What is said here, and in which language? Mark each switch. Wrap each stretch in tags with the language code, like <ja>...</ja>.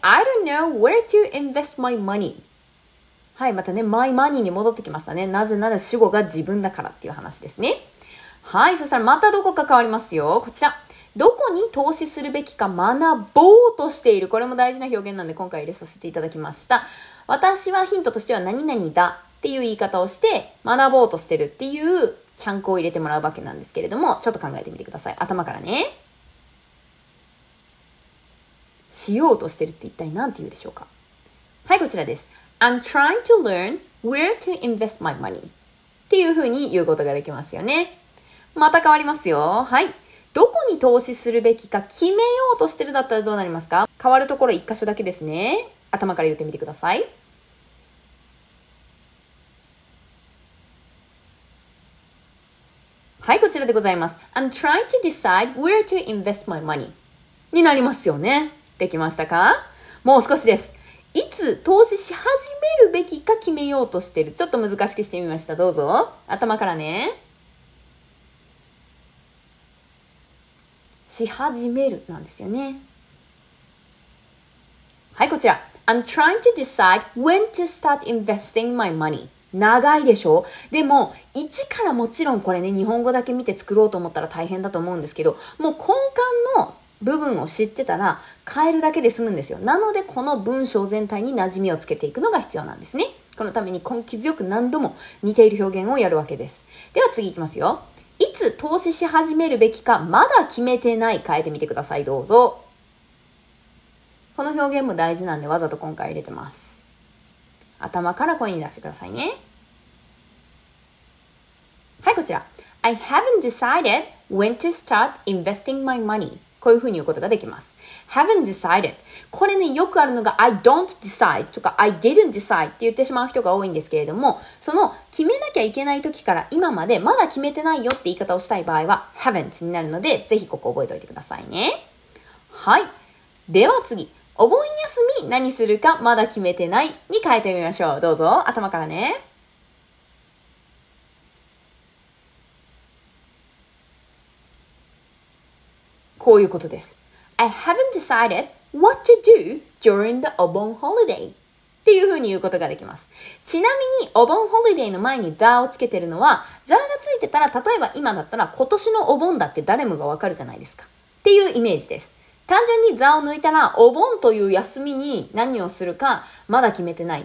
<en>I don't know where to invest my money。</en> <ja>はい、またね、</ja> <en>my money</en> <ja>に戻ってきましたね。なぜなら主語が自分だからっていう話ですね。はい、そしたらまたどこか変わりますよ。こちら、どこに投資するべきか学ぼうとしている。これも大事な表現なんで今回入れさせていただきました。私はヒントとしては何々だっていう言い方をして、学ぼうとしてるっていうチャンクを入れてもらうわけなんですけれども、ちょっと考えてみてください。頭からね。しようとしてるって一体何て言うでしょうか。はい、こちらです。</ja> <en>I'm trying to learn where to invest my money.</en> <ja>っていうふうに言うことができますよね。また変わりますよ。はい。どこに投資するべきか決めようとしてるだったらどうなりますか？変わるところ一箇所だけですね。頭から言ってみてください。はい、こちらでございます。</ja> <en>I'm trying to decide where to invest my money.</en> <ja>になりますよね。できましたか？もう少しです。いつ投資し始めるべきか決めようとしてる。ちょっと難しくしてみました。どうぞ。頭からね。し始めるなんですよね。はい、こちら。</ja> <en>I'm trying to decide when to start investing my money.</en> <ja>長いでしょ？でも、一からもちろんこれね、日本語だけ見て作ろうと思ったら大変だと思うんですけど、もう根幹の部分を知ってたら変えるだけで済むんですよ。なので、この文章全体に馴染みをつけていくのが必要なんですね。このために根気強く何度も似ている表現をやるわけです。では次いきますよ。いつ投資し始めるべきかまだ決めてない。変えてみてください。どうぞ。この表現も大事なんでわざと今回入れてます。頭から声に出してくださいね。はい、こちら。</ja> <en>I haven't decided when to start investing my money.</en> <ja>こういうふうに言うことができます。</ja> <en>Haven't decided.</en> <ja>これね、よくあるのが</ja> <en>I don't decide</en> <ja>とか</ja> <en>I didn't decide</en> <ja>って言ってしまう人が多いんですけれども、その決めなきゃいけない時から今までまだ決めてないよって言い方をしたい場合は haven't になるので、ぜひここ覚えておいてくださいね。はい。では次。お盆休み何するかまだ決めてないに変えてみましょう。どうぞ。頭からね。こういうことです。</ja> <en>I haven't decided what to do during the Obon holiday.</en> <ja>っていうふうに言うことができます。ちなみに、Obon holiday の前に the をつけてるのは、the がついてたら、例えば今だったら今年のお盆だって誰もがわかるじゃないですか。っていうイメージです。単純に the を抜いたら、お盆という休みに何をするかまだ決めてない。</ja>